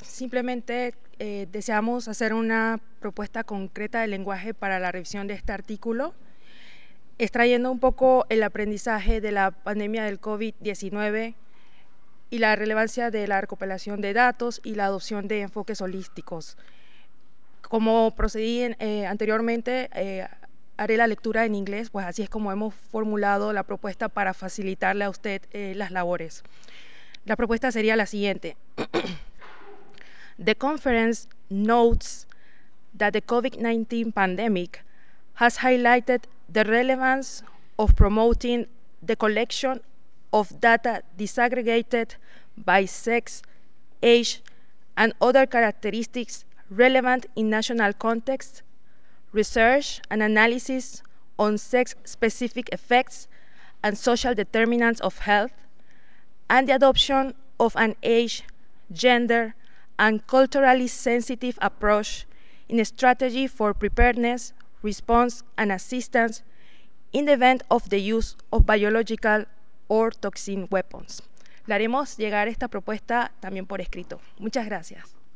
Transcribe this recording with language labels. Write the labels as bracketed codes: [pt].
[es] Simplemente deseamos hacer una propuesta concreta de lenguaje para la revisión de este artículo, extrayendo un poco el aprendizaje de la pandemia del COVID-19 y la relevancia de la recopilación de datos y la adopción de enfoques holísticos. Como procedí anteriormente, haré la lectura en inglés, pues así es como hemos formulado la propuesta para facilitarle a usted las labores. La propuesta sería la siguiente. [en] The conference notes that the COVID-19 pandemic has highlighted the relevance of promoting the collection of data disaggregated by sex, age, and other characteristics relevant in national context, research and analysis on sex-specific effects and social determinants of health, and the adoption of an age, gender, and culturally sensitive approach in a strategy for preparedness, response, and assistance in the event of the use of biological or toxin weapons. [es] Le haremos llegar esta propuesta también por escrito. Muchas gracias.